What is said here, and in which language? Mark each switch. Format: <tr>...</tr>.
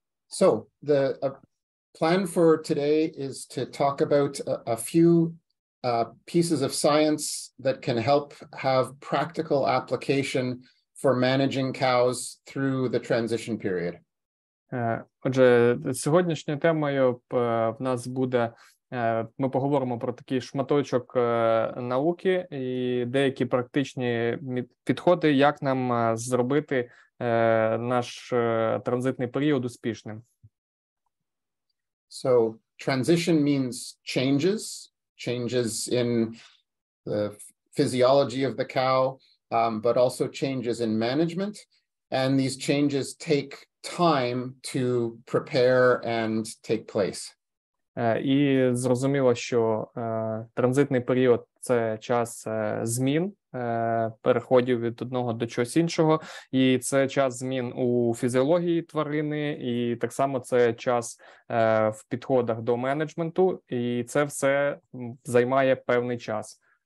<en>So, the plan for today is to talk about a few pieces of science that can help have practical application for managing cows through the transition period.</en> <uk>Отже, сьогоднішньою темою в нас буде, ми поговоримо про такий шматочок науки і деякі практичні підходи, як нам зробити наш транзитний період успішним.</uk> <en>So, transition means changes, changes in the physiology of the cow, but also changes in management, and these changes take time to prepare and take place.</en> <uk>І зрозуміло, що транзитний період – це час змін, переходів від одного до чогось іншого, і це час змін у фізіології тварини, і так само це час в підходах до менеджменту, і це все займає певний час.</uk>